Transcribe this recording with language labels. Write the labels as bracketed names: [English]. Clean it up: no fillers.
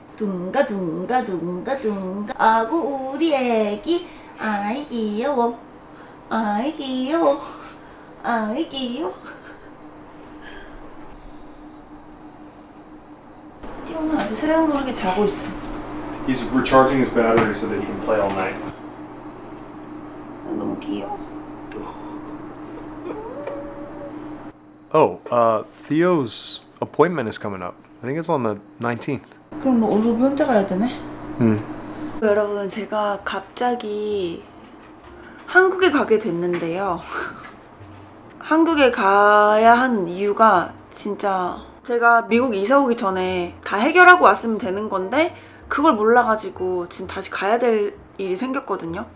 [Korean] 둥가 둥가 둥가 둥가 아구 우리 애기 아이 귀여워 아이 귀여워 아이 귀여워. 띠오는 아주 새록 모르게 자고 있어. [English] He's recharging his battery so that he can play all night. [Korean] 너무 귀여워. [English] Theo's appointment is coming up. I think it's on the 19th. [Korean] 그럼 너 오늘 혼자 가야 되네? 응. 여러분, 제가 갑자기 한국에 가게 됐는데요. 한국에 가야 한 이유가 진짜 제가 미국 이사 오기 전에 다 해결하고 왔으면 되는 건데 그걸 몰라가지고 지금 다시 가야 될 일이 생겼거든요.